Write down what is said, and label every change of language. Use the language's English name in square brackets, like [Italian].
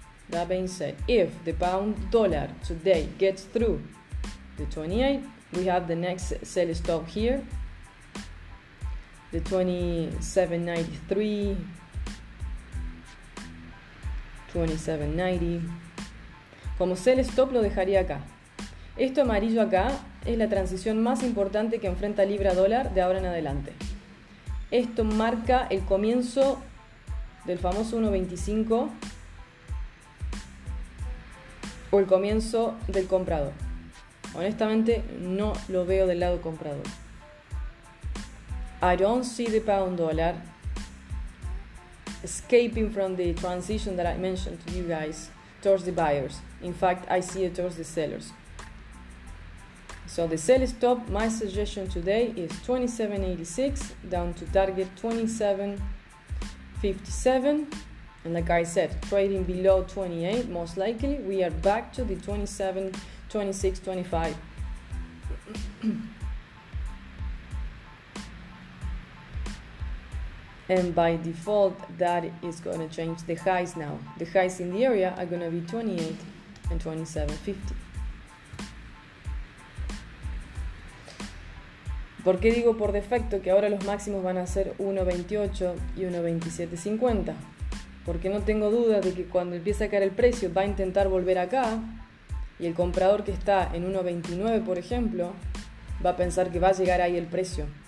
[English] That being said, if the pound dollar today gets through the 28, we have the next sell stop here, the 27.90. [Spanish] Como sell stop lo dejaría acá. Esto amarillo acá es la transición más importante que enfrenta Libra dólar de ahora en adelante. Esto marca el comienzo del famoso 1.25 o el comienzo del comprador. Honestamente, no lo veo del lado comprador. [English] I don't see the pound dollar escaping from the transition that I mentioned to you guys towards the buyers. In fact, I see it towards the sellers. So the sell stop, my suggestion today is 27.86 down to target 27.57. And like I said, trading below 28, most likely we are back to the 27, 26, 25. And by default, that is going to change the highs now. The highs in the area are going to be 28 and 27.50. [Spanish] ¿Por qué digo por defecto que ahora los máximos van a ser 1.28 y 1.27.50? Porque no tengo duda de que cuando empiece a caer el precio va a intentar volver acá y el comprador que está en 1.29, por ejemplo, va a pensar que va a llegar ahí el precio.